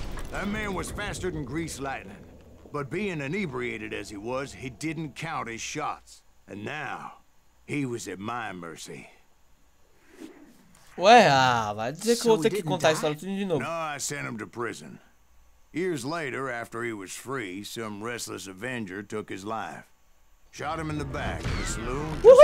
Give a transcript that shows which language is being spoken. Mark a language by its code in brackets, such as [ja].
[en] That man was faster than grease lightning, but being inebriated as he was, he didn't count his shots. And now, he was at my mercy. [pt] Ué, vai dizer que eu vou ter que contar a história tudo de novo. [en] No, I sent him to prison. Years later, after he was free, some restless avenger took his life. Shot him in the back of the saloon.